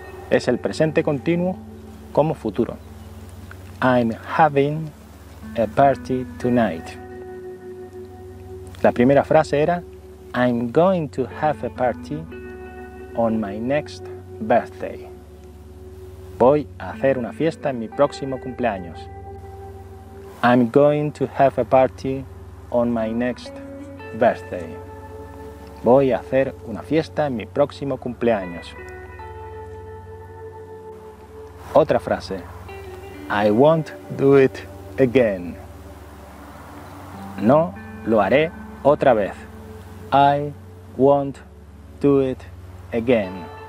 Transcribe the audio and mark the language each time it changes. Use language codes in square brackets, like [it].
[es] Es el presente continuo como futuro. [en] I'm having a party tonight. [es] La primera frase era, [en] I'm going to have a party on my next birthday. [es] Voy a hacer una fiesta en mi próximo cumpleaños. [en] I'm going to have a party on my next birthday. [es] Voy a hacer una fiesta en mi próximo cumpleaños. Otra frase. [en] I won't do it again. [es] No lo haré otra vez. [en] I won't do it again.